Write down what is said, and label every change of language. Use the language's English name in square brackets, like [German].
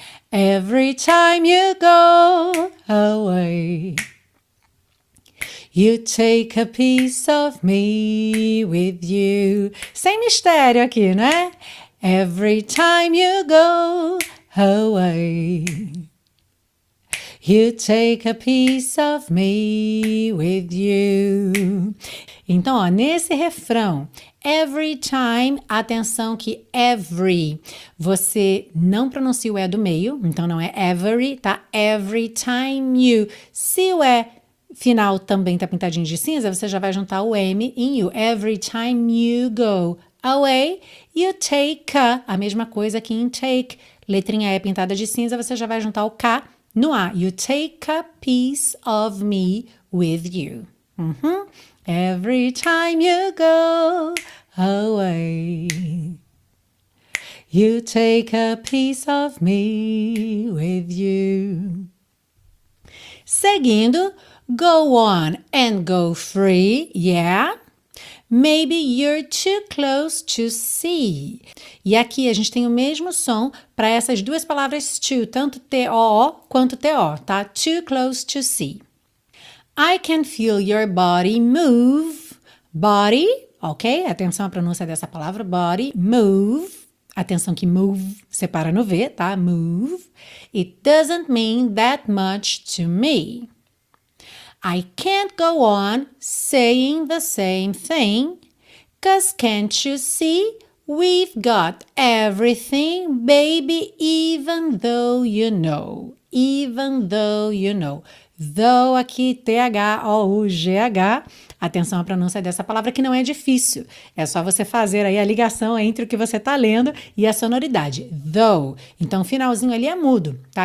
[English] Every time you go away, you take a piece of me with you. [Portuguese] Sem mistério aqui, né? [English] Every time you go away, you take a piece of me with you. [Portuguese] Então, ó, nesse refrão, every time, atenção que every, você não pronuncia o E do meio, então não é every, tá? [English] Every time you. [Portuguese] Se o E final também tá pintadinho de cinza, você já vai juntar o M em you. [English] Every time you go away, you take a [Portuguese] mesma coisa que em take. Letrinha E pintada de cinza, você já vai juntar o K no A. [English] You take a piece of me with you. Uhum. Every time you go away, you take a piece of me with you. [Portuguese] Seguindo, [English] go on and go free, yeah. Maybe you're too close to see. [Portuguese] E aqui a gente tem o mesmo som para essas duas palavras to, tanto T-O quanto T-O, tá? [English] Too close to see. I can feel your body move. Body, ok? [Portuguese] Atenção à pronúncia dessa palavra, body. Move, atenção que move separa no V, tá? [English] Move. It doesn't mean that much to me. I can't go on saying the same thing. 'Cause can't you see? We've got everything, baby, even though you know. Even though you know. [Portuguese] Though aqui, T-H-O-U-G-H, atenção à pronúncia dessa palavra que não é difícil. É só você fazer aí a ligação entre o que você tá lendo e a sonoridade. Though. Então, finalzinho ali é mudo, tá?